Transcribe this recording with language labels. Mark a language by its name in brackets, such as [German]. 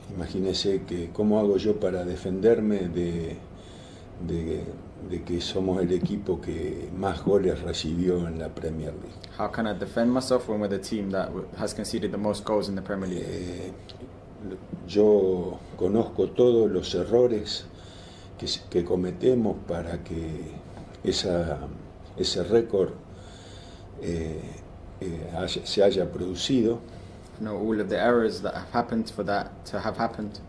[Spanish] Imagínese que cómo hago yo para defenderme de que somos el equipo que más goles recibió en la Premier League. [English] How can I defend myself when we're the team that has conceded the most goals in the Premier League? [Spanish] Yo conozco todos los errores que cometemos para que ese récord se haya producido. [English] No, all of the errors that have happened for that to have happened.